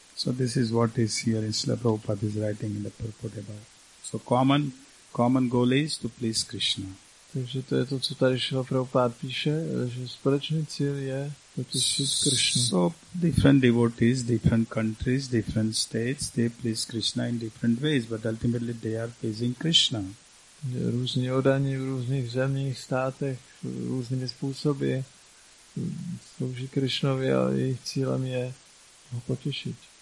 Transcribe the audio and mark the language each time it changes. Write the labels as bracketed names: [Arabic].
[English] So this is what is here, Srila Prabhupada is writing in the purport about. So common goal is to please Krishna. [Czech] Takže to je to, co tady Srila Prabhupada píše, že společný cíl je potěšit Krishna. [English] So different devotees, different countries, different states, they please Krishna in different ways, but ultimately they are pleasing Krishna. [Czech] Různí oddaní v různých zemích, státech, různými způsoby slouží Krišnovi a jejich cílem je ho potěšit.